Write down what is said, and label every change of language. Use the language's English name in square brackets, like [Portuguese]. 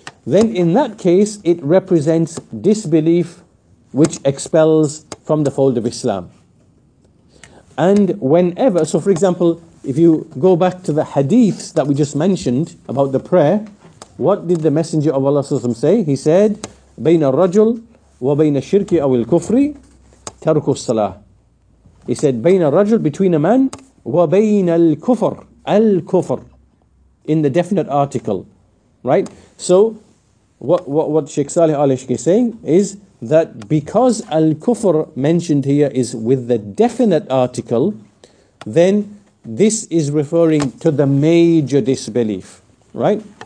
[English] Then in that case, it represents disbelief which expels from the fold of Islam. And whenever, so for example, if you go back to the hadiths that we just mentioned about the prayer, what did the Messenger of Allah say? He said, [Arabic] بَيْنَ الرَّجُلِ وَبَيْنَ الشِّرْكِ أَوِ الْكُفْرِ تَرْكُ الصَّلَاةِ. [English] He said, [Arabic] بَيْنَ الرَّجُلِ, [English] between a man, [Arabic] وَبَيْنَ الْكُفْرِ, الْكُفْرِ, [English] in the definite article, right? So what Sheikh Saleh al-Sheikh is saying is that because al-kufr mentioned here is with the definite article, then this is referring to the major disbelief, right?